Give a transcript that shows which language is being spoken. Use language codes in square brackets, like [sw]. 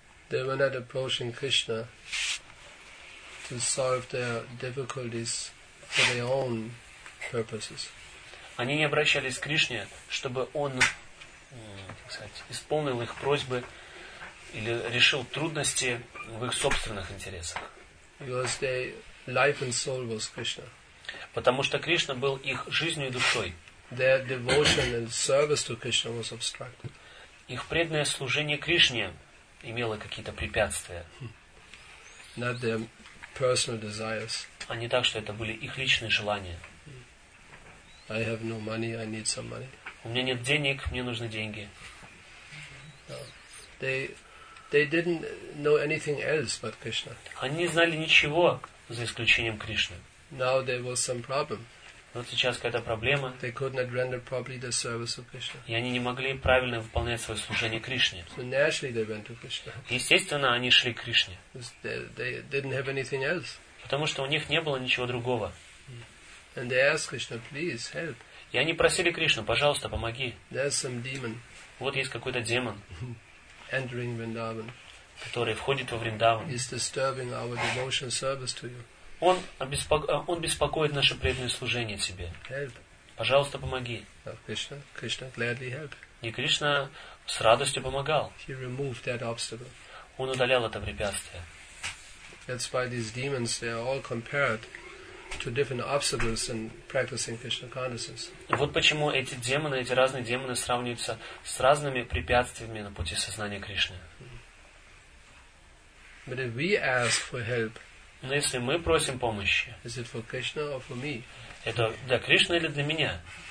[en] They were not approaching Krishna to solve their difficulties for their own purposes. [ru] Они не обращались к Кришне, чтобы он, так сказать, исполнил их просьбы или решил трудности в их собственных интересах. [en] Because their life and soul was Krishna. [ru] Потому что Кришна был их жизнью и душой. [en] Their devotion and service to Krishna was obstructed. [ru] Их преданное служение Кришне имело какие-то препятствия. [en] Not their personal desires. [ru] А не так, что это были их личные желания. [en] I have no money, I need some money. [ru] У меня нет денег, мне нужны деньги. [en] No. They didn't know anything else but Krishna. [ru] Они не знали ничего за исключением Кришны. [en] Now there was some problem. [ru] Но сейчас какая-то проблема. [en] They could not render properly the service of Krishna. [ru] И они не могли правильно выполнять свое служение Кришне. [en] So naturally they went to Krishna. [ru] Естественно, они шли к Кришне. [en] They didn't have anything else. [ru] Потому что у них не было ничего другого. [en] And they asked Krishna, please help. [ru] И они просили Кришну, пожалуйста, помоги. [en] There's some demon. [ru] Вот есть какой-то демон. [en] Entering Vrindavan. [ru] Который входит во Вриндаван. [en] He's disturbing our devotional service to you. [ru] Он беспокоит наше преданное служение тебе. [en] Help. [ru] Пожалуйста, помоги. [en] Krishna gladly helped. [ru] И Кришна с радостью помогал. [en] He removed that obstacle. [ru] он удалял это препятствие. [en] That's why these demons, they are all compared to different obstacles in practicing Krishna consciousness. [ru] Вот почему эти демоны, эти разные демоны сравниваются с разными препятствиями на пути сознания Кришны. [en] But if we ask for help, [ru] но если мы просим помощи, [en] is it for Krishna or for me? [ru] Это для Кришны или для меня?